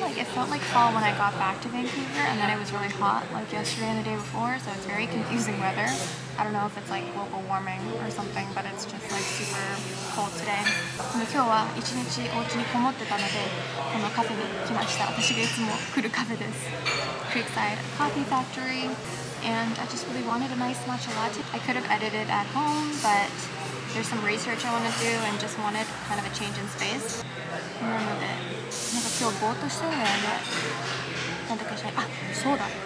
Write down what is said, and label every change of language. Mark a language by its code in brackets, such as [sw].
[en] Like it felt like fall when I got back to Vancouver, and then it was really hot like yesterday and the day before. So it's very confusing weather. I don't know if it's like global warming or something, but it's just like super cold today. [ja] But 今日は一日お家にこもってたので、このカフェに来ました。私がいつも来るカフェです。 [en] Creekside Coffee Factory, and I just really wanted a nice matcha latte. I could have edited at home, but there's some research I want to do, and just wanted kind of a change in space. [ja] なので、なんか今日ぼーっとしてるんで、なんとかしない。あ、そうだ。